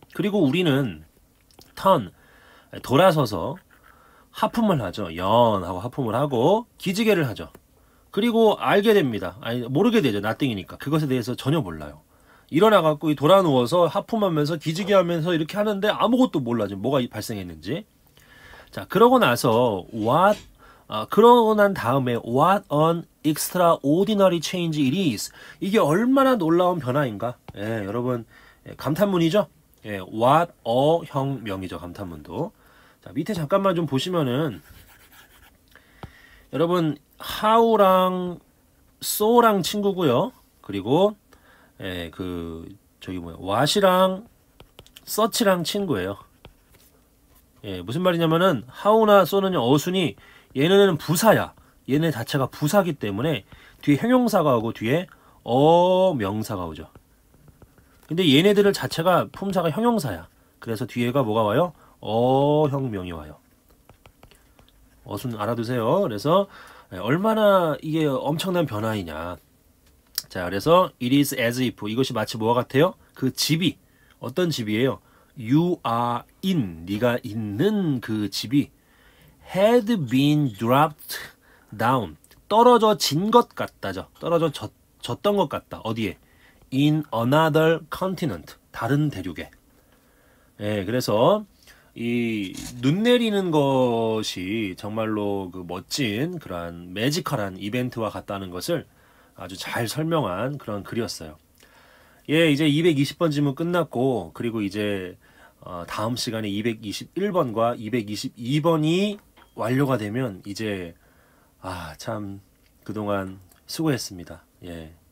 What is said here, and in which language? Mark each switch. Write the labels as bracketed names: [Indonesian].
[Korean] 그리고 우리는 턴, 돌아서서 하품을 하죠. 연하고 하품을 하고 기지개를 하죠. 그리고 알게 됩니다. 아니, 모르게 되죠. 나띵이니까. 그것에 대해서 전혀 몰라요. 일어나 갖고 돌아 누워서 하품하면서 기지개 하면서 이렇게 하는데 아무것도 몰라죠. 뭐가 발생했는지. [English] 자, 그러고 나서 what 그러고 난 다음에 What an extraordinary change it is. [Korean] 이게 얼마나 놀라운 변화인가? 예, 여러분 예, 감탄문이죠? 예, What a 형용이죠, 감탄문도. 자, 밑에 잠깐만 좀 보시면은 여러분 How랑 So랑 친구고요. 그리고 예, 그 저기 뭐야 What이랑 Such랑 친구예요. 예, 무슨 말이냐면은 How나 So는 어순이 얘네는 부사야. 얘네 자체가 부사기 때문에 뒤에 형용사가 오고 뒤에 명사가 오죠. 근데 얘네들을 자체가 품사가 형용사야. 그래서 뒤에가 뭐가 와요? 형용이 와요. 어순 알아두세요. 그래서 얼마나 이게 엄청난 변화이냐. 자, 그래서 it is as if 이것이 마치 뭐와 같아요? 그 집이 어떤 집이에요? You are in 네가 있는 그 집이 had been dropped down 떨어진 것 같다죠. 졌던 것 같다. 어디에? [English] In another continent 다른 대륙에. [Korean] 예, 그래서 이눈 내리는 것이 정말로 그 멋진 그러한 매지컬한 이벤트와 같다는 것을 아주 잘 설명한 그런 글이었어요. 예, 이제 220번 질문 끝났고, 그리고 이제 다음 시간에 221번과 222번이 완료가 되면 이제 아, 참 그동안 수고했습니다. 예.